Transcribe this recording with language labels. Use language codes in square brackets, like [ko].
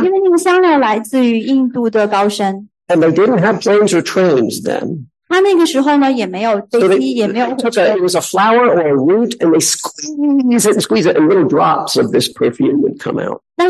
[zh] 因为那个香料来自于印度的高山。 [en] And they didn't have planes or trains then. [zh] 他那个时候呢，也没有飞机，也没有火车。 [en] It was a flower or a root, and they squeeze it, and little drops of this perfume would come out.